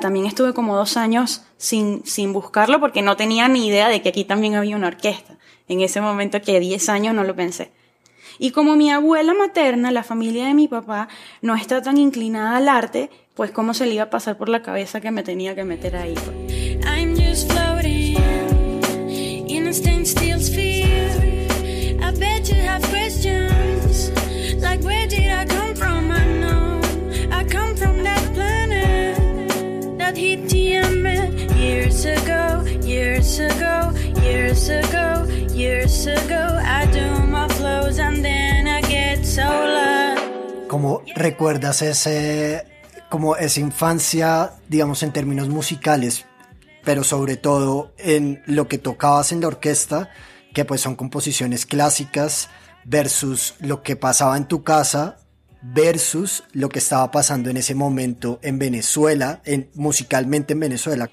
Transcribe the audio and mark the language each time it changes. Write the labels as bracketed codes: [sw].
[es] También estuve como 2 años sin buscarlo porque no tenía ni idea de que aquí también había una orquesta. En ese momento que 10 años no lo pensé. Y como mi abuela materna, la familia de mi papá, no está tan inclinada al arte, pues cómo se le iba a pasar por la cabeza que me tenía que meter ahí. [en] I'm just floating in a standstill sphere. I bet you have questions like where did I come from? I know I come from that planet that hit the emmet years ago, years ago, years ago, years ago. I do my flows and then I get solar. [es] ¿Cómo recuerdas esa infancia, digamos, en términos musicales, pero sobre todo en lo que tocabas en la orquesta, que pues son composiciones clásicas, versus lo que pasaba en tu casa, versus lo que estaba pasando en ese momento en Venezuela, musicalmente en Venezuela?